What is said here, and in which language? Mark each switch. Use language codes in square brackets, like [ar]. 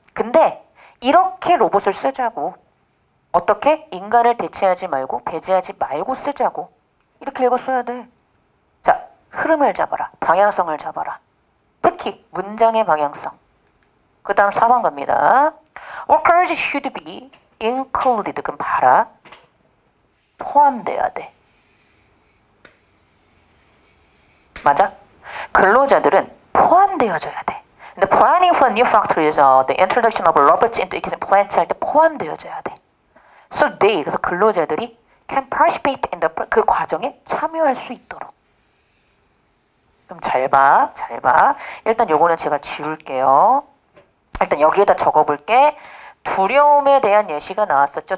[ko] 근데 이렇게 로봇을 쓰자고. 어떻게? 인간을 대체하지 말고 배제하지 말고 쓰자고. 이렇게 읽었어야 돼. 자, 흐름을 잡아라. 방향성을 잡아라. 특히 문장의 방향성. 그 다음 4번 갑니다. [en] Workers should be included. [ko] 그럼 봐라. 포함돼야 돼. 맞아? 근로자들은 포함되어져야 돼. 근데 [en] planning for a new factory is the introduction of robots into existing plants [ko] 할 때 포함되어져야 돼. [en] So they, [ko] 그래서 근로자들이 [en] can participate in the, [ko] 그 과정에 참여할 수 있도록. 그럼 잘 봐, 잘 봐. 일단 요거는 제가 지울게요. 일단 여기에다 적어볼게. 두려움에 대한 예시가 나왔었죠.